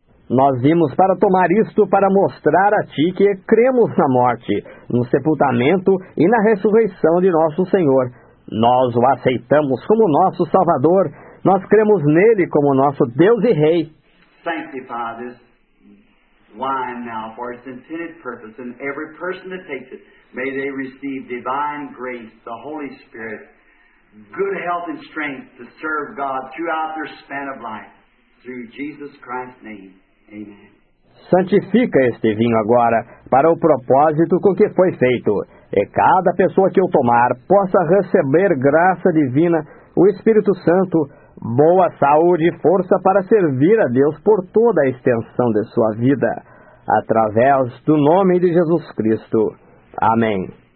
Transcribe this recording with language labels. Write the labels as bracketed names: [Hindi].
[Portuguese] Nós vimos para tomar isto para mostrar a ti que cremos na morte, no sepultamento e na ressurreição de nosso Senhor. Nós o aceitamos como nosso Salvador. Nós cremos nele como nosso Deus e Rei. [English] Sanctify this wine now for its intended purpose, and every person that takes it. May they receive divine grace, the Holy Spirit, good health and strength to serve God throughout their span of life. Through Jesus Christ's name, amen. [Portuguese] Santifica este vinho agora para o propósito com que foi feito, e cada pessoa que o tomar possa receber graça divina, o Espírito Santo, boa saúde e força para servir a Deus por toda a extensão de sua vida, através do nome de Jesus Cristo. Amém.